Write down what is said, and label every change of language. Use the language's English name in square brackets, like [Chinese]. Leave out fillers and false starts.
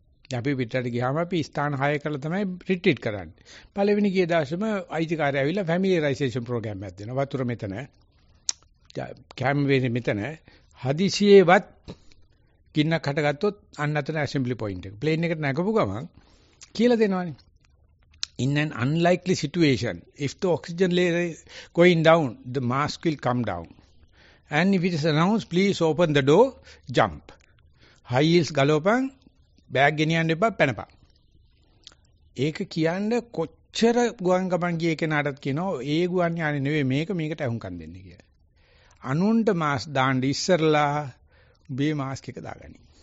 [Sinhala] අපි පිටරට ගියාම අපි ස්ථාන හය කරලා තමයි රිට්‍රීට් කරන්නේ. පළවෙනි ගිය දවසේම අයිතිකාරය ඇවිල්ලා ෆැමිලියරයිසේෂන් ප්‍රෝග්‍රෑම් එකක් දෙනවා. වතුර මෙතන. කැම්වේනේ මෙතන. හදිසියෙවත් ගින්නක් හටගත්තොත් අන්න අතන ඇසෙම්බ්ලි පොයින්ට් එක. ප්ලේන් එකට නැගපු ගමන් කියලා දෙනවානේ. [English] In an unlikely situation, if the oxygen layer is going down, the mask will come down. And if it is announced, please open the door, jump. High heels [Sinhala] galopang. Bag ගෙනියන්න එපා පැනපා. ඒක කියන්නේ කොච්චර ගුවන් ගමන් ගියේ කෙනාටත් කියනවා ඒ ගුවන් යානේ නෙවෙයි මේක මේකට ඇහුම්කන් දෙන්නේ කියලා. අනුන්ට මාස් දාන්න ඉස්සරලා මේ මාස්ක් එක දාගනි.